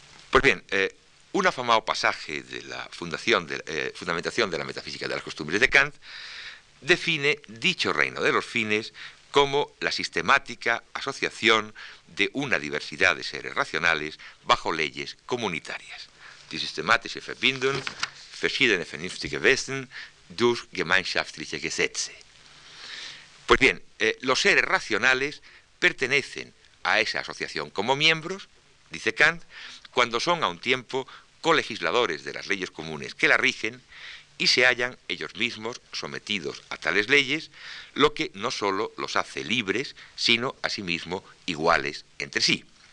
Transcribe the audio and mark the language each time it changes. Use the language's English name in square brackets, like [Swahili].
[Spanish] Pues bien, un afamado pasaje de la fundamentación de la metafísica de las costumbres de Kant define dicho reino de los fines como la sistemática asociación de una diversidad de seres racionales bajo leyes comunitarias. [German] Die systematische Verbindung verschiedener vernünftige Wesen durch gemeinschaftliche Gesetze. [Spanish] Pues bien, los seres racionales pertenecen a esa asociación como miembros, dice Kant, cuando son a un tiempo colegisladores de las leyes comunes que la rigen y se hallan ellos mismos sometidos a tales leyes, lo que no sólo los hace libres, sino asimismo iguales entre sí.